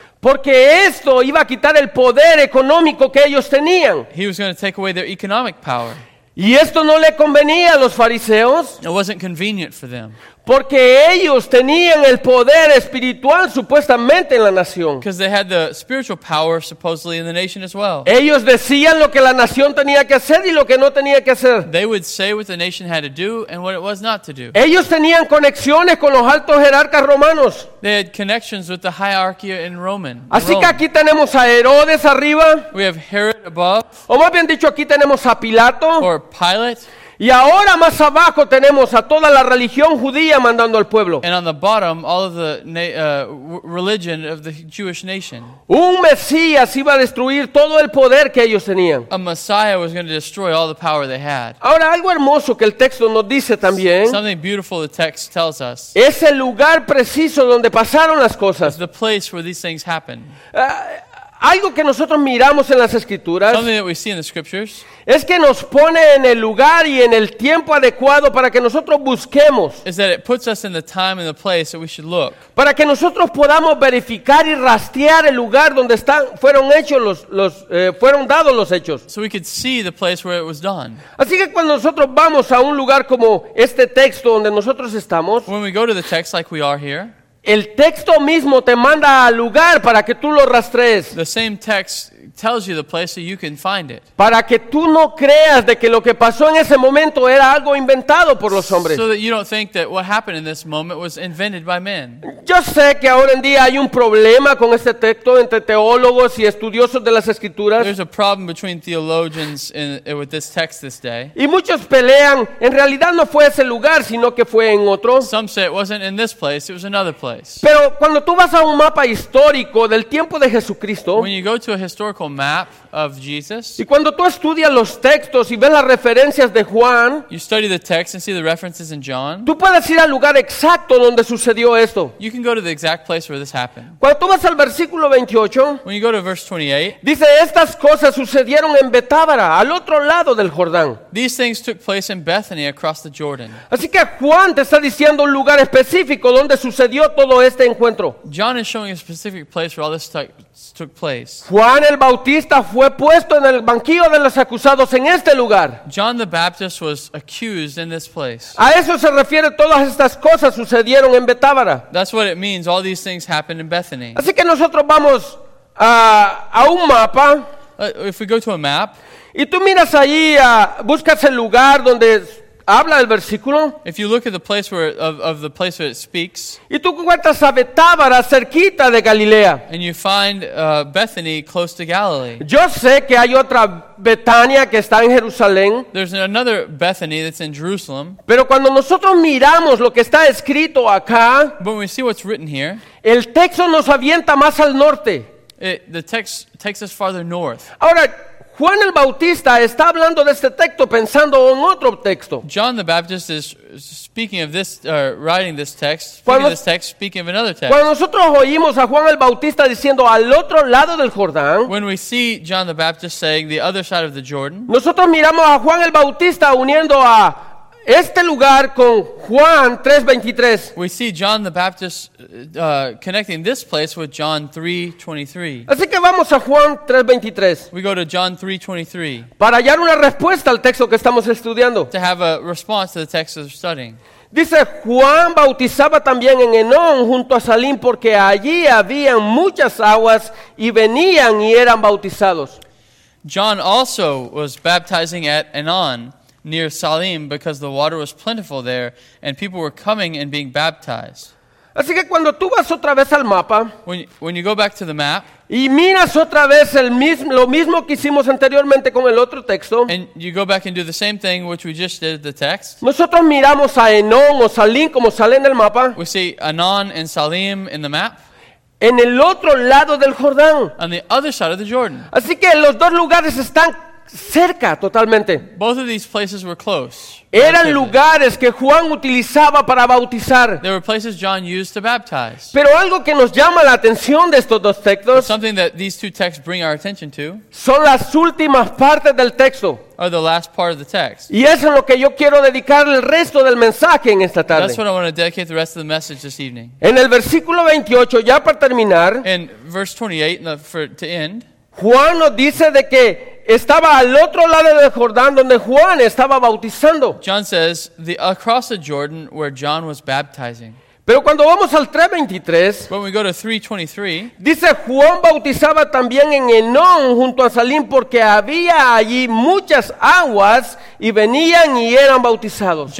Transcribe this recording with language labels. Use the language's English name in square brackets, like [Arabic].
[Spanish] Porque esto iba a quitar el poder económico que ellos tenían. [English] He was going to take away their economic power. [Spanish] Y esto no le convenía a los fariseos. [English] It wasn't convenient for them. [Spanish] Porque ellos tenían el poder espiritual supuestamente en la nación. [English] Because they had the spiritual power supposedly in the nation as well. [Spanish] Ellos decían lo que la nación tenía que hacer y lo que no tenía que hacer. [English] They would say what the nation had to do and what it was not to do. [Spanish] Ellos tenían conexiones con los altos jerarcas romanos. [English] They had connections with the hierarchy in Roman. [Spanish] Así que aquí tenemos a Herodes arriba. [English] We have Herod above. [Spanish] O más bien dicho, aquí tenemos a Pilato. [English] Or Pilate. [Spanish] Y ahora más abajo tenemos a toda la religión judía mandando al pueblo. [English] And on the bottom, all of the religion of the Jewish nation. [Spanish] Un Mesías iba a destruir todo el poder que ellos tenían. [English] A Messiah was going to destroy all the power they had. [Spanish] Ahora algo hermoso que el texto nos dice también. [English] Something beautiful the text tells us. [Spanish] Es el lugar preciso donde pasaron las cosas. [English] The place where these things happened. [Spanish] Algo que nosotros miramos en las Escrituras, [English] something that we see in the Scriptures, [Spanish] es que nos pone en el lugar y en el tiempo adecuado para que nosotros busquemos, [English] is that it puts us in the time and the place that we should look, [Spanish] para que nosotros podamos verificar y rastrear el lugar donde están fueron dados los hechos, [English] so we could see the place where it was done. [Spanish] Así que cuando nosotros vamos a un lugar como este texto donde nosotros estamos, [English] when we go to the text like we are here, [Spanish] el texto mismo te manda al lugar para que tú lo rastrees. [English] The same text tells you the place so you can find it. [Spanish] Para que tú no creas de que lo que pasó en ese momento era algo inventado por los hombres. [English] So that you don't think that what happened in this moment was invented by men. [Spanish] Yo sé que ahora en día hay un problema con este texto entre teólogos y estudiosos de las Escrituras. [English] There's a problem between theologians with this text this day. [Spanish] Y muchos pelean. En realidad no fue ese lugar, sino que fue en otro. [English] Some say it wasn't in this place, it was another place. [Spanish] Pero cuando tú vas a un mapa histórico del tiempo de Jesucristo, [English] when you go to a historical map of Jesus. [Spanish] Y cuando tú estudias los textos y ves las referencias de Juan, [English] you study the text and see the references in John. [Spanish] Tú puedes ir al lugar exacto donde sucedió esto. [English] You can go to the exact place where this happened. [Spanish] Cuando tú vas al versículo 28, [English] when you go to verse 28, [Spanish] dice estas cosas sucedieron en Betábara, al otro lado del Jordán. [English] These things took place in Bethany across the Jordan. [Spanish] Así que Juan te está diciendo un lugar específico donde sucedió todo este encuentro. [English] John is showing a specific place where all this took place. [Spanish] Juan el Bautista fue puesto en el banquillo de los acusados en este lugar. [English] John the Baptist was accused in this place. [Spanish] A eso se refiere todas estas cosas sucedieron en Betábara. [English] That's what it means, all these things happened in Bethany. [Spanish] Así que nosotros vamos a un mapa. [English] If we go to a map. [Spanish] Y tú miras allí, buscas el lugar donde habla el versículo. [English] If you look at the place where of the place where it speaks. [Spanish] Y tú encuentras a Betábara cerquita de Galilea. [English] And you find Bethany close to Galilee. [Spanish] Yo sé que hay otra Betania que está en Jerusalén. [English] There's another Bethany that's in Jerusalem. [Spanish] Pero cuando nosotros miramos lo que está escrito acá, [English] but when we see what's written here, [Spanish] el texto nos avienta más al norte. [English] The text takes us farther north. [Spanish] Ahora, Juan el Bautista está hablando de este texto pensando en otro texto. [English] John the Baptist is speaking of this, writing this text, speaking of this text, speaking of another text. [Spanish] Cuando nosotros oímos a Juan el Bautista diciendo al otro lado del Jordán, [English] when we see John the Baptist saying the other side of the Jordan, [Spanish] nosotros miramos a Juan el Bautista uniendo a este lugar con Juan 3:23. [English] We see John the Baptist connecting this place with John 3:23. [Spanish] Así que vamos a Juan 3:23. [English] We go to John 3:23. [Spanish] Para hallar una respuesta al texto que estamos estudiando. [English] To have a response to the text we're studying. [Spanish] Dice, Juan bautizaba también en Enón junto a Salim porque allí habían muchas aguas y venían y eran bautizados. [English] John also was baptizing at Enon, near Salim, because the water was plentiful there, and people were coming and being baptized. [Spanish] Así que cuando tú vas otra vez al mapa, [English] when you go back to the map, [Spanish] y miras otra vez lo mismo que hicimos anteriormente con el otro texto, [English] and you go back and do the same thing which we just did the text, [Spanish] nosotros miramos a Enón o Salim como salen del mapa, [English] we see Enón and Salim in the map, [Spanish] en el otro lado del Jordán, [English] on the other side of the Jordan. [Spanish] Así que los dos lugares están cerca totalmente. [English] Both of these places were close. [Spanish] Eran lugares que Juan utilizaba para bautizar. [English] There were places John used to baptize. [Spanish] Pero algo que nos llama la atención de estos dos textos, [English] something that these two texts bring our attention to, [Spanish] son las últimas partes del texto. [English] Are the last part of the text. [Spanish] Y eso es lo que yo quiero dedicar el resto del mensaje en esta tarde. [English] That's what I want to dedicate the rest of the message this evening. [Spanish] En el versículo 28, ya para terminar, [English] in verse 28, to end, [Spanish] Juan nos dice de que estaba al otro lado del Jordán donde Juan estaba bautizando. [English] John says, the, across the Jordan where John was baptizing. [Spanish] Pero cuando vamos al 3:23, [English] when we go to 3:23, [Spanish] dice Juan bautizaba también en Enón junto a Salim porque había allí muchas aguas y venían y eran bautizados.